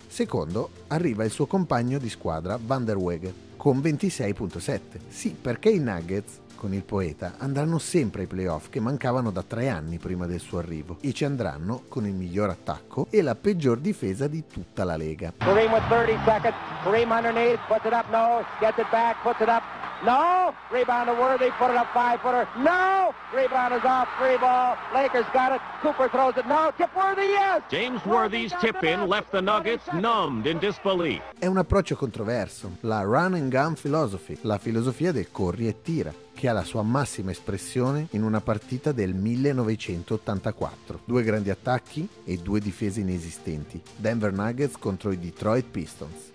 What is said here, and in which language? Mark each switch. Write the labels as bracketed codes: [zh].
[it] Secondo arriva il suo compagno di squadra Van der Wege con 26,7. Sì, perché i Nuggets, con il poeta, andranno sempre ai playoff che mancavano da 3 anni prima del suo arrivo e ci andranno con il miglior attacco e la peggior difesa di tutta la Lega. [en] Kareem with 30 seconds, Kareem underneath, puts it up, no, gets it back, puts it up, no, rebound to Worthy, put it up 5-footer, no, rebound is off, free ball, Lakers got it, Cooper throws it, no, tip Worthy, yes! James Worthy's tip-in left the Nuggets numbed in disbelief. [it] È un approccio controverso, la [en] run and gun philosophy, [it] la filosofia del corri e tira, che ha la sua massima espressione in una partita del 1984. Due grandi attacchi e due difese inesistenti. Denver Nuggets contro i Detroit Pistons.